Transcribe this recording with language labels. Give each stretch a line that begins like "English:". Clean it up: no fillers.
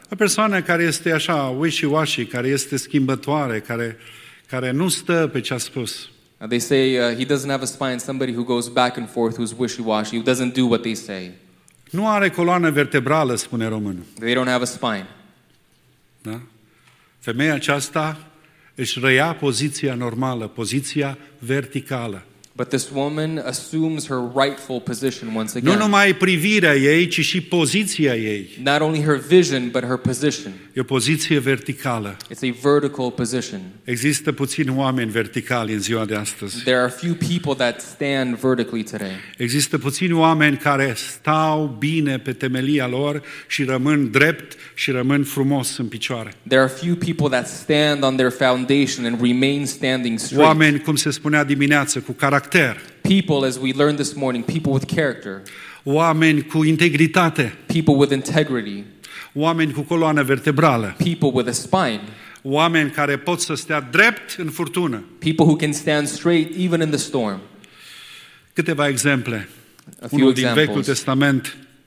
Romanian: O persoană care este așa wishy-washy, care este schimbătoare, care nu stă pe ce a spus.
English: They say he doesn't have a spine, somebody who goes back and forth, who's wishy-washy, who doesn't do what they say.
Romanian: Nu are coloană vertebrală, spune românul.
English: They don't have a spine.
Romanian: Da? Femeia aceasta își reia poziția normală, poziția verticală.
English: But this woman assumes her rightful position once again.
Romanian: Nu numai privirea ei, ci și poziția ei.
English: Not only her vision, but her position.
Romanian: E o poziție verticală.
English: It's a vertical position.
Romanian: Există puțini oameni verticali în ziua de astăzi.
English: There are few people that stand vertically today.
Romanian: Există puțini oameni care stau bine pe temelia lor și rămân drept și rămân frumos în picioare.
English: There are few people that stand on their foundation and remain standing straight.
Romanian: Oameni, cum se spunea dimineață, cu caracter.
English: People, as we learned this morning, people with character.
Romanian: Oameni cu integritate.
English: People with integrity.
Romanian: Oameni cu coloană vertebrală.
English: People with a spine.
Romanian: Oameni care pot să stea drept în furtună.
English: People who can stand straight even in the storm.
Romanian: Câteva exemple. Unul din Vechiul Testament.